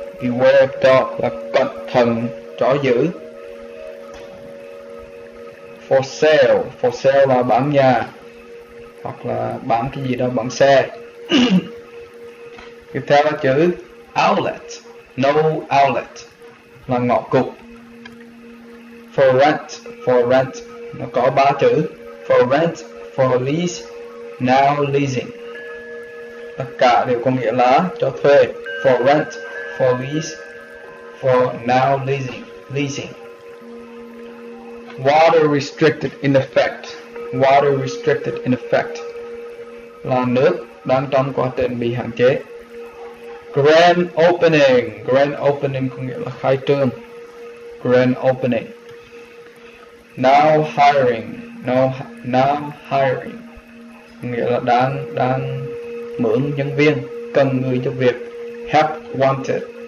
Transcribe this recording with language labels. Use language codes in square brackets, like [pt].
[en] Beware of dog [vi] là cẩn thận chó dữ. [en] For sale, for sale [vi] là bán nhà hoặc là bán cái gì đó, bán xe. Tiếp theo là chữ outlet, [en] no outlet [vi] là ngõ cụt. [en] For rent [vi] nó có ba chữ, [en] for rent, for lease, now leasing. [vi] Tất cả đều có nghĩa là cho thuê. [en] For rent, for lease, for now leasing, leasing. Water restricted in effect. Water restricted in effect [vi] là nước đang trong quá trình bị hạn chế. [en] Grand opening. Grand opening [vi] có nghĩa là khai trương. [en] Grand opening. Now hiring. Now hiring [vi] nghĩa là đang mượn nhân viên, cần người cho việc. [en] Help wanted.